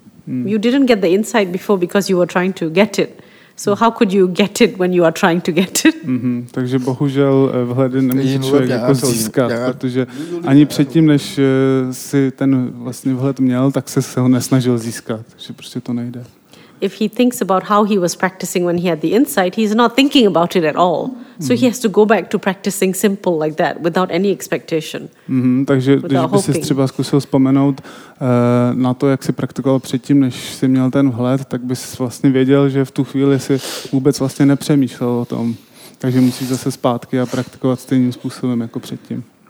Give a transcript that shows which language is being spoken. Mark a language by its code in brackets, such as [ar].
[en] You didn't get the insight before because you were trying to get it. So how could you get it when you are trying to get it? [cs] Takže bohužel vhledy nemůže člověk jako získat, protože ani předtím, než si ten vlastně vhled měl, tak se ho nesnažil získat, takže prostě to nejde. [en] If he thinks about how he was practicing when he had the insight, he's not thinking about it at all. So he has to go back to practicing simple like that without any expectation. [cs] Takže když by si třeba zkusil vzpomenout na to, jak si praktikoval předtím, než si měl ten vhled, tak bys vlastně věděl, že v tu chvíli si vůbec vlastně nepřemýšlel o tom. Takže musíš zase zpátky a praktikovat stejným způsobem jako předtím.